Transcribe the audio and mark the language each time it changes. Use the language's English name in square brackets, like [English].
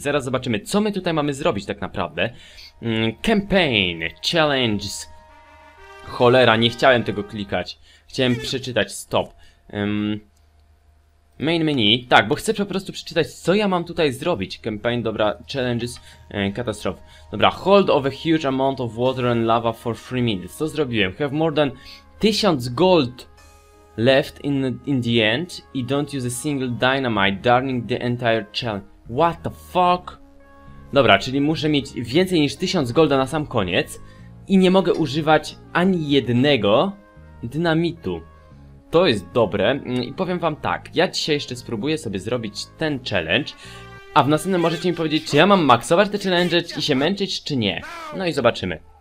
[Polish] Zaraz zobaczymy, co my tutaj mamy zrobić tak naprawdę. Campaign, challenges. Cholera, nie chciałem tego klikać. Chciałem przeczytać, stop. Main menu, tak, bo chcę po prostu przeczytać, co ja mam tutaj zrobić. Campaign, dobra, challenges, katastrof. [English] Dobra, hold of a huge amount of water and lava for 3 minutes. [Polish] Co zrobiłem? [English] Have more than 1000 gold left in the end i don't use a single dynamite, darning the entire challenge. What the fuck? [Polish] Dobra, czyli muszę mieć więcej niż 1000 golda na sam koniec i nie mogę używać ani jednego dynamitu. To jest dobre i powiem wam tak, ja dzisiaj jeszcze spróbuję sobie zrobić ten challenge, a w następnym możecie mi powiedzieć, czy ja mam maksować te challenge i się męczyć, czy nie. No i zobaczymy.